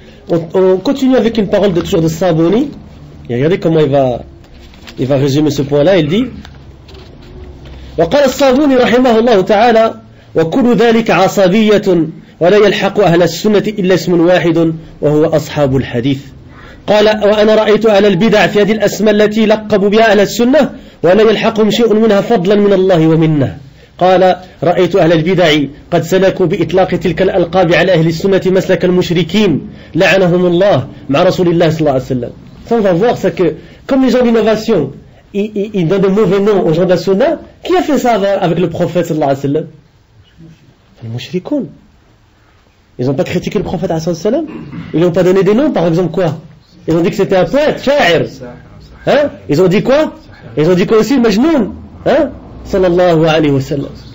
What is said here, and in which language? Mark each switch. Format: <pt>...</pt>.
<fr>On continue avec une parole de toujours de Saboni. Et regardez comment il va résumer ce point-là. Il dit.</fr> <ar>وقال الصابوني رحمه الله تعالى وكل ذلك عصبية ولا يلحق أهل السنة إلا اسم واحد وهو أصحاب الحديث قال وأنا رأيت أهل البدع في هذه الأسماء التي لقبوا بها أهل السنة ولا يلحقهم شيء منها فضلا من الله ومنا قال رأيت أهل البدع قد سلكوا بإطلاق تلك الألقاب على أهل السنة مسلك المشركين لعنهم الله مع رسول الله صلى الله عليه وسلم سوف</ar> <fr>voir ça que comme les gens d'innovation ils donnent de mauvais noms aux gens de la Sunna. Qui a fait ça avec le prophète sallallahu alayhi wa sallam? Les mouchrikoun. Ils n'ont pas critiqué le prophète sallallahu alayhi wa sallam. Ils n'ont pas donné des noms, par exemple, quoi? Ils ont dit que c'était un poète, sha'ir. Hein? Ils ont dit quoi? Ils ont dit quoi aussi, le majnoun? Hein? Sallallahu alayhi wa sallam.</fr>